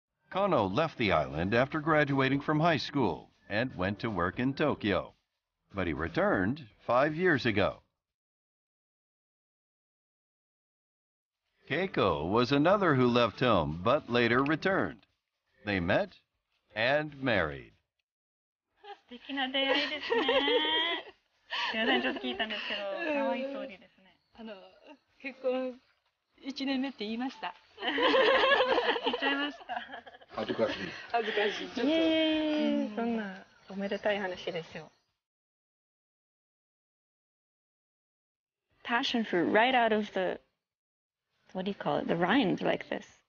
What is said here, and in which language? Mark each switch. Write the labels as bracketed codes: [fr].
[en] Kano left the island after graduating from high school and went to work in Tokyo. But he returned 5 years ago. Keiko was another who left home but later returned. They met and married. [ja] 素敵な出会いですね。すみません、ちょっと聞いたんですけど、可愛いストーリーですね。あの、結婚1年目って言いました。言っちゃいました。恥ずかしい。恥ずかしい。ちょっと。そんなおめでたい話ですよ。 [en] Passion fruit right out of the, what do you call it, the rind like this.